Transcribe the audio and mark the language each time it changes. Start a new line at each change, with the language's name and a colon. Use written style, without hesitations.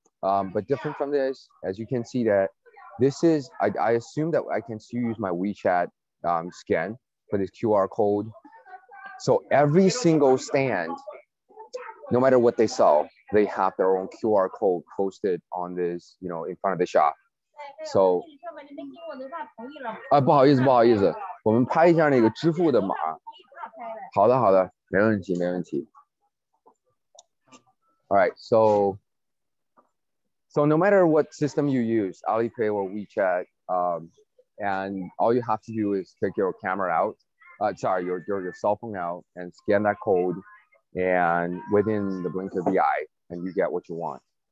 English: But different from this, as you can see that this is, I assume that I can still use my WeChat scan for this QR code. So every single stand, no matter what they sell, they have their own QR code posted on this, you know, in front of the shop.
Chinese: So, 不好意思, 我们拍一下那个支付的码。好的, 没问题。
English: All right, so no matter what system you use, Alipay or WeChat, and all you have to do is take your camera out, your cell phone out and scan that code. And within the blink of the eye, and you get what you want.